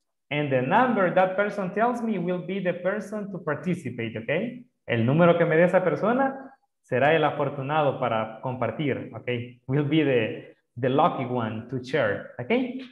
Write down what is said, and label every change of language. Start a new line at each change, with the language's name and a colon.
English: And the number that person tells me will be the person to participate, okay?
Spanish: El número que me dé esa persona será el afortunado para compartir, okay?
English: Will be the lucky one to share, okay?